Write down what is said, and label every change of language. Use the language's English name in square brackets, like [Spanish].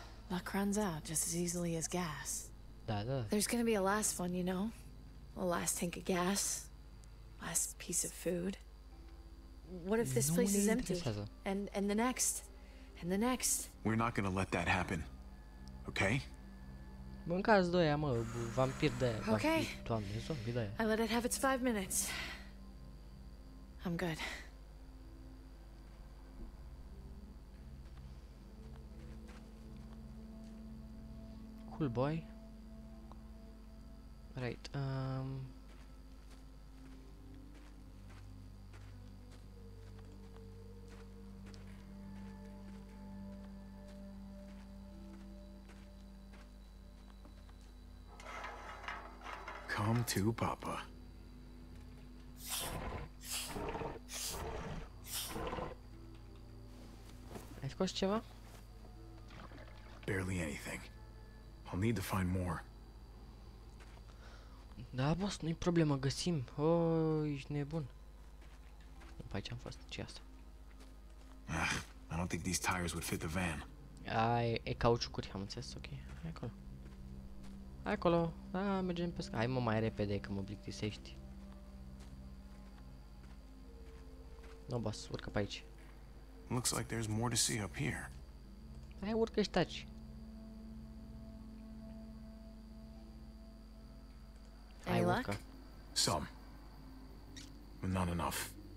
[English] Luck runs out just as easily as gas. [Romanian] Da. [English] There's gonna be a last one, you know? A last tank of gas. Last piece of food. What if this place is empty? And the next. And the next. We're not gonna let that happen. Okay? [Romanian] Mâncați doi, mă, vampir de... [English] Okay. [Romanian] Doamne, zombie de... [English] I let it have its 5 minutes. I'm good. Cool boy. Right, Come to Papa. [Romanian] Ai scos ceva? [English] Barely anything. I'll need to find more. [Romanian] Da, boss, nu-i problemă, găsim. Oh, ești nebun. După ce am fost, ce-i asta? [English] Ah, I don't think these tires would fit the van. [Romanian] Ai, e cauciucuri, am înțeles, ok. Hai acolo. Hai acolo, da, mergem pe scară. Hai mă mai repede, că mă plictisești. No, boss, urcă pe aici. [English] Looks like there's more to see up here. [Romanian] Hai, urcă și taci. [English] Any luck? Some. But not enough.